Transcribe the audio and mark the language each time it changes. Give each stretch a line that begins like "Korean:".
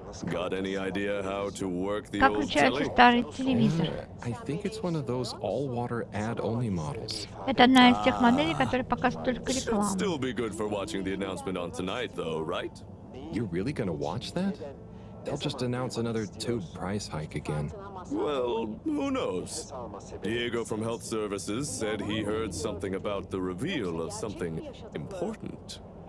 English: Got any idea how to work the old television? I think it's one of those all-water add-only models.
Russian: Это одна из тех моделей, которые показывают только рекламу.
English: Should still be good for watching the announcement on tonight, though, right? You're really gonna watch that? They'll just announce another tube price hike again. Well, who knows? Diego from Health Services said he heard something about the reveal of something important.